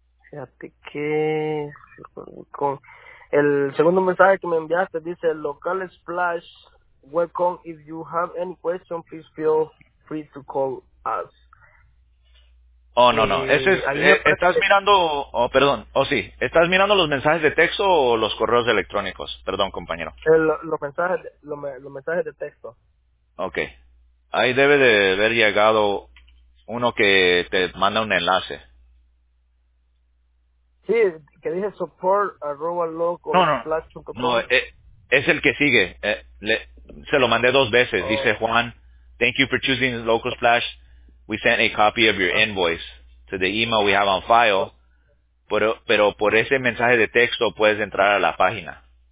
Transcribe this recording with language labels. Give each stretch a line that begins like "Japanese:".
Spanish: Fíjate que con el segundo mensaje que me enviaste dice Local Splash, welcome.
English: If you have any question, please feel free to call us.
Spanish: Oh, no, no. Ese es, estás mirando, oh, perdón, oh, sí. ¿Estás mirando los mensajes de texto o los correos electrónicos? Perdón, compañero. Los mensajes de texto. Okay. Ahí debe de haber llegado uno que te manda un enlace. Sí, que dice support@localsplash.com. No, no, no. Es el que sigue. Se lo mandé dos veces. Dice
English: Juan, thank you for choosing Local Splash. We sent a copy of your invoice to the email we have on file.
Spanish: Pero por ese mensaje de texto puedes entrar a la página.